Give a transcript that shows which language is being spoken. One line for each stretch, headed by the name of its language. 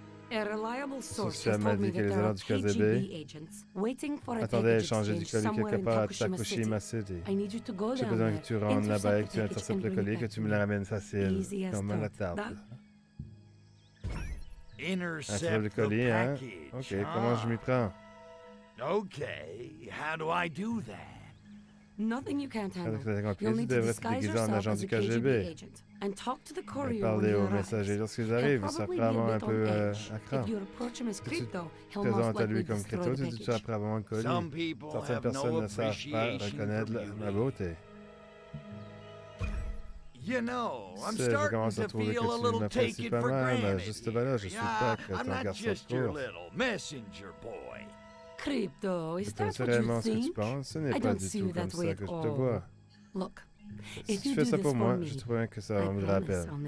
English: A reliable source told me that there are KGB agents waiting for a package exchange somewhere in Takushima City. I need you to go there.
French: J'ai besoin que tu rentres là-bas et que tu interceptes le colis, que tu me le ramènes facile, comme la tarte. Intercept le colis, hein? Ok, comment je m'y prends?
English: Okay, how do I do that? Nothing you can't handle. You'll need to disguise yourself as a KGB agent. And talk to the courier when he arrives. He'll probably be a bit on edge. If you approach him as crypto, he'll most likely destroy the package. Some people have no appreciation for you. You know, I'm starting to feel a little taken for granted. I'm not just your little messenger boy. Crypto, is that what you think? I don't see you that way at all. Look.
French: Si tu fais ça pour moi, je trouverai que ça va me rappeler.